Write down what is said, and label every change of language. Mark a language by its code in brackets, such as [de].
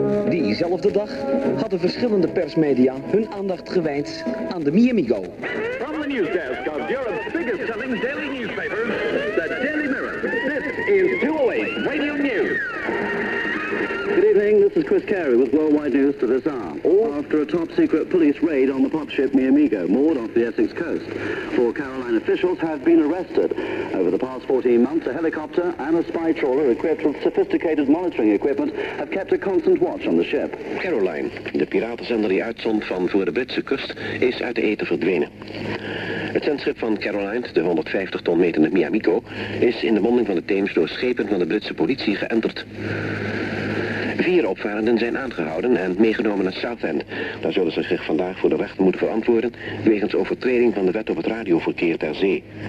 [nl] Diezelfde dag hadden verschillende persmedia hun aandacht gewijd aan de Miamigo. [en] From the newsdesk of Europe's biggest selling daily newspaper, the Daily Mirror, this is 208 Radio News. Good evening, this is Chris Carey with Worldwide News to this hour. After a top-secret police raid on the pop ship Miamigo, moored off the Essex coast, 4 Caroline officials have been arrested. Over the past 14 months, a helicopter and a spy trawler equipped with sophisticated monitoring equipment have kept a constant watch on the ship. [nl] Caroline, de piratenzender die uitzond van voor de Britse kust, is uit de eten verdwenen. Het zendschip van Caroline, de 150 ton metende Miamigo, is in de monding van de Theems door schepen van de Britse politie geënterd. 4 opvarenden zijn aangehouden en meegenomen naar Southend. Daar zullen ze zich vandaag voor de rechter moeten verantwoorden wegens overtreding van de wet op het radioverkeer ter zee.